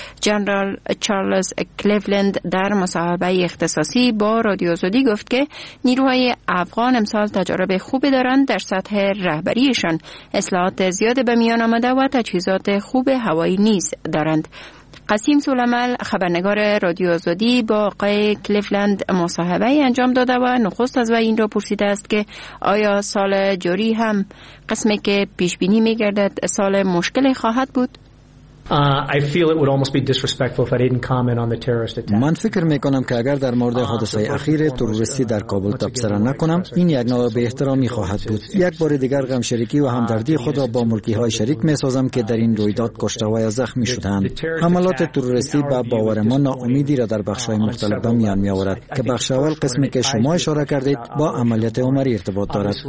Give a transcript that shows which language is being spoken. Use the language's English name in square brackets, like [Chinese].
[Persian] جنرال چارلز کلیولند در مصاحبه اختصاصی با رادیو آزادی گفت که نیروهای افغان امسال تجارب خوبی دارند، در سطح رهبریشان اصلاحات زیاد به میان آمده و تجهیزات خوب هوایی نیز دارند. قسیم سولمل خبرنگار رادیو آزادی با آقای کلیولند مصاحبه انجام داده و نخست از وی این را پرسیده است که آیا سال جاری هم قسمی که پیش بینی می‌گردد سال مشکلی خواهد بود؟ [English] I feel it would almost be disrespectful if I didn't comment on the terrorist attack. [Persian] من فکر میکنم که اگر در مورد حادثه اخیر تروریستی در کابل تبصره نکنم این یک نوع به احترامی خواهد بود. یک بار دیگر غم شریکی و همدردی خود را با ملکی های شریک میسازم که در این رویداد کشته و زخمی شدند. حملات تروریستی به باور ما ناامیدی را در بخش های مختلف میان میآورد که بخش اول قسمی که شما اشاره کردید با عملیات عمری ارتباط دارد.